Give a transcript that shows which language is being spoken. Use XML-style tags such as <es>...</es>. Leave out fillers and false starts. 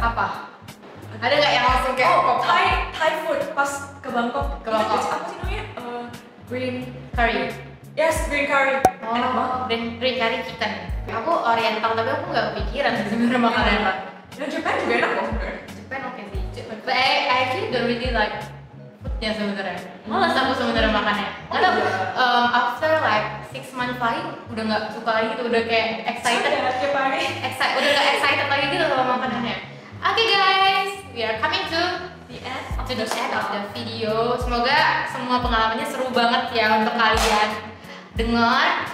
<id>Apa? Ada nggak yang langsung kayak oh, Thai food pas ke Bangkok? Ke Bangkok. Apa sih namanya? Green</id> <en>curry. Yes, green curry. Oh, enak banget. Green curry chicken.</en> <id>Aku Oriental tapi aku nggak kepikiran sebenarnya makanan apa. Yang Japan juga enak kok. Japan oke sih.</id> <en>But I actually don't really like foodnya sebenarnya.</en> <id>Malas aku sebenarnya makannya. Karena after like 6 months flying udah nggak suka lagi tuh, udah kayak excited. Udah nggak excited lagi gitu sama makanannya.</id> <en>Okay guys, we are coming to the end of the video.</en> <id>Semoga semua pengalamannya seru banget ya untuk kalian dengar.</id>